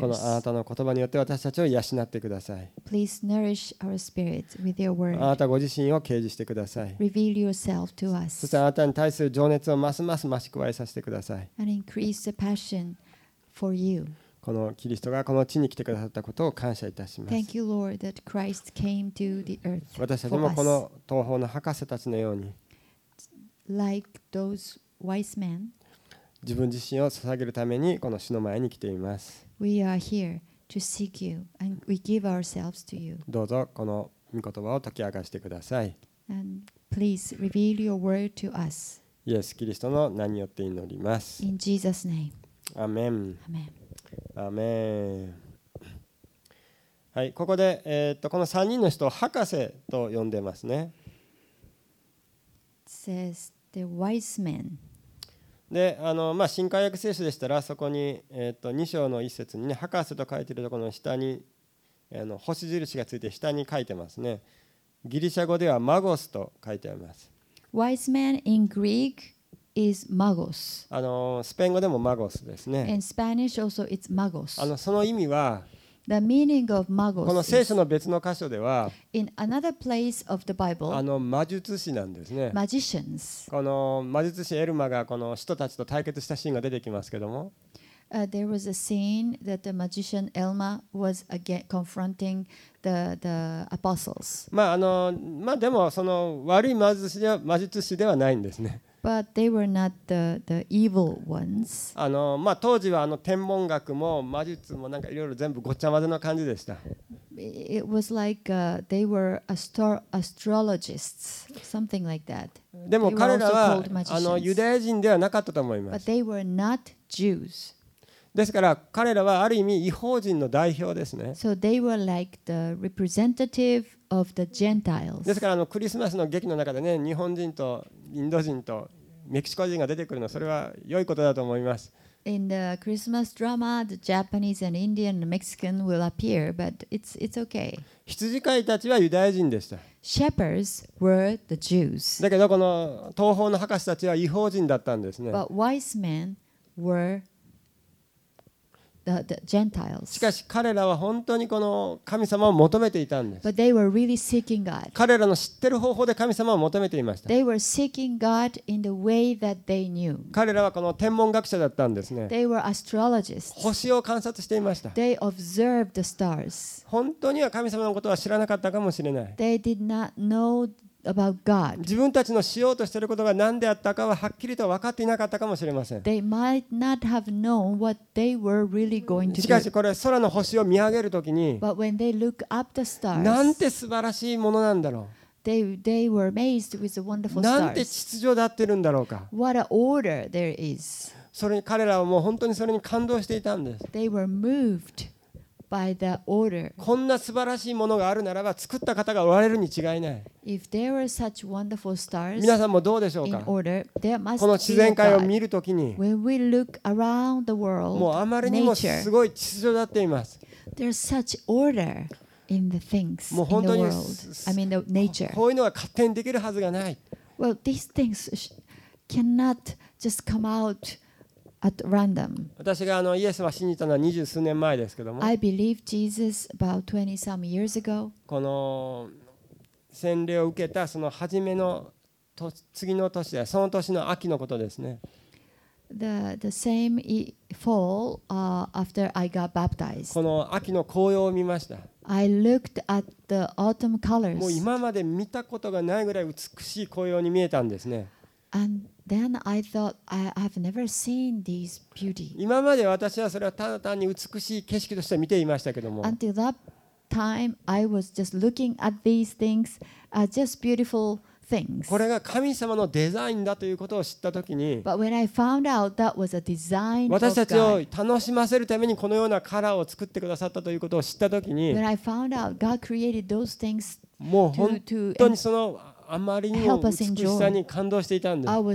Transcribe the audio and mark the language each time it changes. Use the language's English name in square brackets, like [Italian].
[Japanese] このあなたの言葉によって私たちを養ってください。 [English] Please nourish our spirits with your word. [Japanese] あなたご自身を啓示してください。 [English] Reveal yourself to us. [Japanese] そしてあなたに対する情熱をますます増し加えさせてください。 [English] And increase the passion for you. [Japanese] このキリストがこの地に来てくださったことを感謝いたします。 [English] Thank you, Lord, that Christ came to the earth for us. [Japanese] 私たちもこの東方の博士たちのように、 [English] Like those wise men, [Japanese] 自分自身を捧げるためにこの主の前に来ています。 [English] We are here to seek you and we give ourselves to you. [Japanese] どうぞこの御言葉を解き明かしてください。 [English] And please reveal your word to us. [Japanese] イエス・キリストの名によって祈ります。 [English] In Jesus' name. Amen. Amen. Amen. [Japanese] はい、ここで、この三人の人を博士と呼んでますね。 [English] Says the wise men. [Japanese] で、あの、まあ、新改訳聖書でしたらそこに、2章の1節に、ね、博士と書いているところの下に、星印がついて下に書いてますね。ギリシャ語ではマゴスと書いてあります。 [English] Wise man in Greek is magos. [Japanese] あのスペイン語でもマゴスですね。 [English] In Spanish also it's magos. [Japanese] あのその意味は [English] The meaning of magos [Japanese] この聖書の別の箇所では [English] In another place of the Bible, [Japanese] あの魔術師なんですね。 [English] Magicians. [Japanese] この魔術師エルマがこの使徒たちと対決したシーンが出てきますけども、 [English] There was a scene that the magician Elma was again confronting the apostles. [Japanese] まああのまあでもその悪い魔術師ではないんですね。 [English] But they were not the evil ones. [Japanese] あのまあ当時はあの天文学も魔術もなんかいろいろ全部ごっちゃ混ぜの感じでした。 [English] It was like they were astrologists, something like that. [Japanese] でも彼らはあのユダヤ人ではなかったと思います。 [English] But they were not Jews. [Japanese] ですから彼らはある意味異邦人の代表ですね。 [English] So they were like the representative of the Gentiles. [Japanese] ですからあのクリスマスの劇の中でね、日本人とインド人とメキシコ人が出てくるのはそれは良いことだと思います。 [English] In the Christmas drama, the Japanese and Indian and Mexican will appear, but it's okay. [Japanese] 羊飼いたちはユダヤ人でした。 [English] Shepherds were the Jews. [Japanese] だけどこの東方の博士たちは異邦人だったんですね。 [English] But wise men were the Gentiles. [Japanese] しかし彼らは本当にこの神様を求めていたんです。 [English] But they were really seeking God. [Japanese] 彼らの知ってる方法で神様を求めていました。 [English] They were seeking God in the way that they knew. [Japanese] 彼らはこの天文学者だったんですね。 [English] They were astrologists. [Japanese] 星を観察していました。 [English] They observed the stars. [Japanese] 本当には神様のことは知らなかったかもしれない。 [English] They did not know about God. [Japanese] 自分たちのしようとしていることが何であったかははっきりと分かっていなかったかもしれません。 [English] They might not have known what they were really going to do. [Japanese] しかしこれ空の星を見上げるときに、 [English] But when they look up the stars, [Japanese] なんて素晴らしいものなんだろう。 [English] They were amazed with the wonderful stars. [Japanese] なんて秩序であってるんだろうか。 [English] What an order there is. [Japanese] それに彼らはもう本当にそれに感動していたんです。 [English] They were moved. By the order. [Japanese] こんな素晴らしいものがあるならば作った方がおられるに違いない。 [English] If there were such wonderful stars, [Japanese] 皆さんもどうでしょうか。 [English] In order, there must be a God. [Japanese] この自然界を見るときに [English] When we look around the world, [Japanese] もうあまりにもすごい秩序だっています。 [English] There's such order in the things in the world. I mean the nature. [Japanese] こういうのが勝手にできるはずがない。 [English] Well, these things cannot just come outAt random. [Japanese] 私があのイエスは信じたのは二十数年前ですけども、 [English] I believed Jesus about 20 some years ago. [Japanese] この洗礼を受けたその初めの次の年や、その年の秋のことですね。 [English] The same fall, after I got baptized. [Japanese] この秋の紅葉を見ました。 [English] I looked at the autumn colors. [Japanese] もう今まで見たことがないぐらい美しい紅葉に見えたんですね。 [English] And then I thought I have never seen these beauty. [Japanese] 今まで私はそれはただ単に美しい景色として見ていましたけども。 [English] Until that time, I was just looking at these things as just beautiful things. [Japanese] これが神様のデザインだということを知ったときに、 [English] But when I found out that was a design of God, [Japanese] 私たちを楽しませるためにこのようなカラーを作ってくださったということを知ったときに、 [English] When I found out God created those things, [Japanese] もう本当にそのあまりにも美しさに感動していたんです。